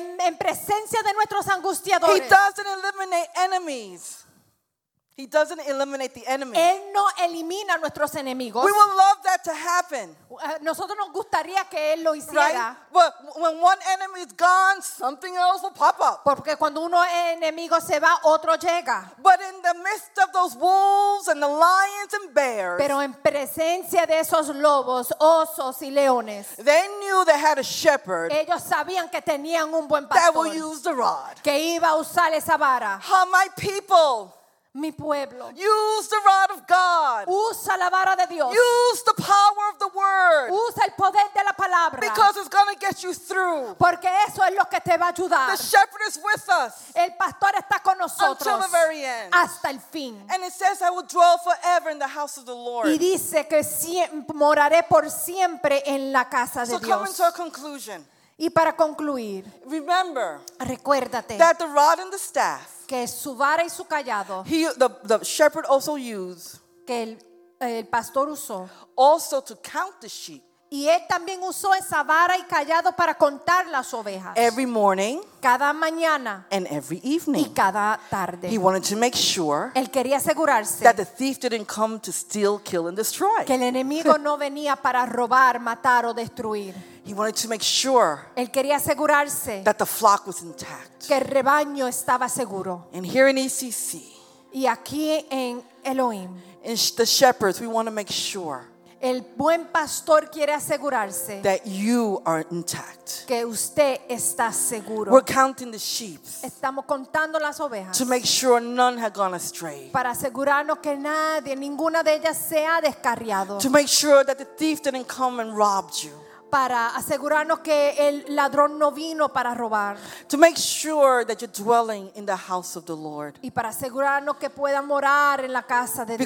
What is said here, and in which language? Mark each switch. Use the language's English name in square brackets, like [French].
[Spanish] En presencia de nuestros angustiadores. [English] He doesn't eliminate enemies. He doesn't eliminate the enemy. [Spanish] Él no elimina nuestros enemigos. [English] We would love that to happen. [Spanish] Nosotros nos gustaría que él lo hiciera. [English] Right? But when one enemy is gone, something else will pop up. [Spanish] Porque cuando uno enemigo se va, otro llega. [English] But in the midst of those wolves and the lions and bears. [Spanish] Pero en presencia de esos lobos, osos y leones. [English] They knew they had a shepherd. [Spanish] Ellos sabían que tenían un buen pastor. [English] That would use the rod. [Spanish] Que iba a usar esa vara. [English] How my people. [Spanish] Mi pueblo. [English] Use the rod of God. [Spanish] Usa la vara de Dios. [English] Use the power of the word. [Spanish] Usa el poder de la palabra. [English] Because it's going to get you through. [Spanish] Porque eso es lo que te va a ayudar. [English] The shepherd is with us. [Spanish] El pastor está con nosotros. [English] Until the very end. [Spanish] Hasta el fin. [English] And it says, I will dwell forever in the house of the Lord. [Spanish] Y dice que moraré por siempre en la casa de [English] Dios. So coming to a conclusion. [Spanish] Y para concluir. [English] Remember. [Spanish] Recuérdate. [English] That the rod and the staff. [Spanish] Que su vara y su callado, [English] the shepherd also used, [Spanish] que el pastor usó, [English] also to count the sheep. [Spanish] Y él también usó esa vara y callado para contar las ovejas. [English] Every morning, [Spanish] cada mañana, [English] and every evening, [Spanish] y cada tarde. [English] He wanted to make sure, [Spanish] él quería asegurarse, [English] that the thief didn't come to steal, kill, and destroy. [Spanish] Que el enemigo no venía para robar, matar o destruir. [English] He wanted to make sure, [Spanish] él quería asegurarse, [English] that the flock was intact. [Spanish] Que el rebaño estaba seguro. [English] And here in ECC, [Spanish] y aquí en Elohim, [English] in the shepherds, we want to make sure. [Spanish] El buen pastor quiere asegurarse [English] that you are intact. [Spanish] Que usted está seguro. [English] We're counting the sheep. [Spanish] Estamos contando las ovejas. [English] To make sure none have gone astray. [Spanish] Para asegurarnos que nadie, ninguna de ellas se ha descarriado. [English] To make sure that the thief didn't come and robbed you. [Spanish] Para asegurarnos que el ladrón no vino para robar. [English] To make sure that you're dwelling in the house of the Lord. [Spanish] Y para asegurarnos que pueda morar en la casa de Dios.